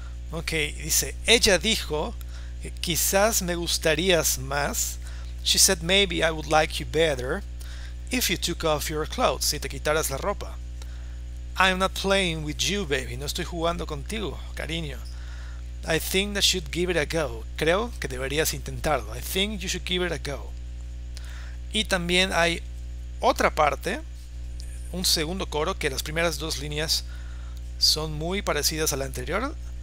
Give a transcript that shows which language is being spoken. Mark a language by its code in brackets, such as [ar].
[es] Ok, dice, ella dijo que quizás me gustarías más. [en] She said maybe I would like you better if you took off your clothes, [es] si te quitaras la ropa. [en] I'm not playing with you, baby. [es] No estoy jugando contigo, cariño. [en] I think that should give it a go. [es] Creo que deberías intentarlo. [en] I think you should give it a go. [es] Y también hay otra parte, un segundo coro, que las primeras dos líneas son muy parecidas a la anterior.